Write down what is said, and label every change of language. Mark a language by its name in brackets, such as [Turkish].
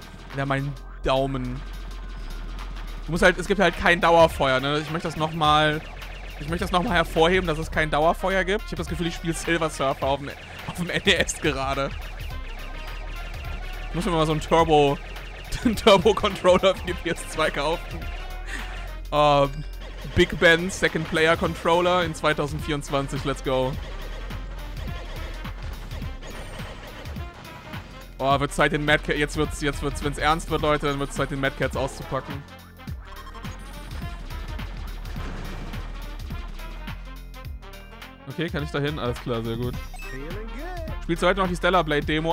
[German] Alter, mein Daumen. Du musst halt, es gibt halt kein Dauerfeuer, ne? Ich möchte das nochmal hervorheben, dass es kein Dauerfeuer gibt. Ich habe das Gefühl, ich spiele Silver Surfer auf dem NES gerade. Ich muss mir mal so einen Turbo-Controller für die PS2 kaufen. [English] Big Ben Second Player Controller in 2024, let's go. [German] Oh, wird Zeit den Madcats, jetzt wird's, wenn's ernst wird, Leute, dann wird's Zeit den Madcats auszupacken. Okay, kann ich da hin? Alles klar, sehr gut. Spielst du heute noch die Stellar Blade Demo?